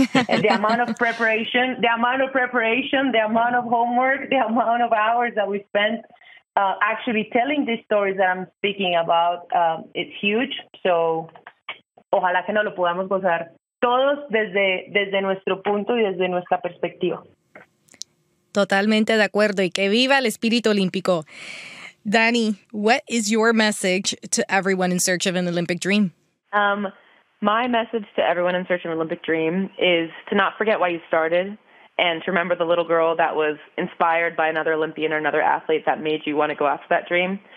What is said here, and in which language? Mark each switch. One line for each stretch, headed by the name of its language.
English: The amount of preparation, the amount of homework, the amount of hours that we spent actually telling these stories that I'm speaking about, it's huge.
Spanish: So, ojalá que nos lo podamos gozar todos desde nuestro punto y desde nuestra perspectiva. Totalmente de acuerdo. Y que viva el espíritu olímpico.
English: Dani, what is your message to everyone in search of an Olympic dream? My message to everyone in search of an Olympic dream is to not forget why you started and to remember the little girl that was inspired by another Olympian or another athlete that made you want to go after that dream.